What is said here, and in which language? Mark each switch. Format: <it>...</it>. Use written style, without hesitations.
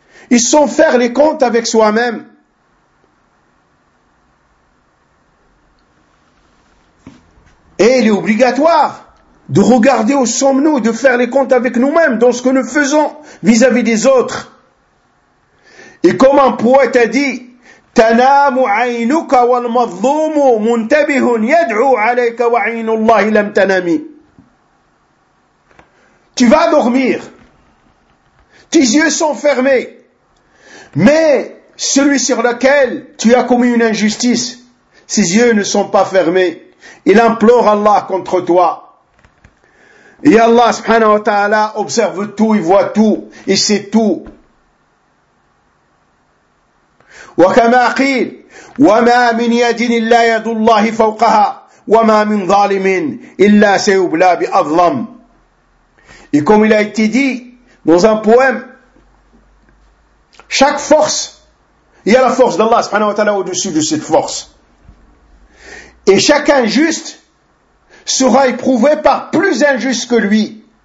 <fr>Et sans faire les comptes avec soi-même. Et il est obligatoire de regarder où sommes-nous, de faire les comptes avec nous-mêmes dans ce que nous faisons vis-à-vis des autres. Et comme un poète a dit,</fr> <ar>تَنَامُ عَيْنُكَ وَالْمَظْلُومُ مُنْتَبِهٌ يَدْعُوا عَلَيْكَ وَعَيْنُ اللَّهِ لَمْ تَنَامِ.</ar> <fr>Tu vas dormir, tes yeux sont fermés, mais celui sur lequel tu as commis une injustice, ses yeux ne sont pas fermés. Il implore Allah contre toi. Et Allah subhanahu wa ta'ala observe tout, il voit tout, il sait tout.</fr> <ar>وكما قيل وما من يد الا يد الله فوقها وما من ظالم الا سيبلى باظلم.</ar> <fr>Et comme il a été dit dans un poème, chaque force, il y a la force d'Allah subhanahu wa ta'ala au-dessus de cette force, et chaque injuste sera éprouvé par plus injuste que lui.</fr>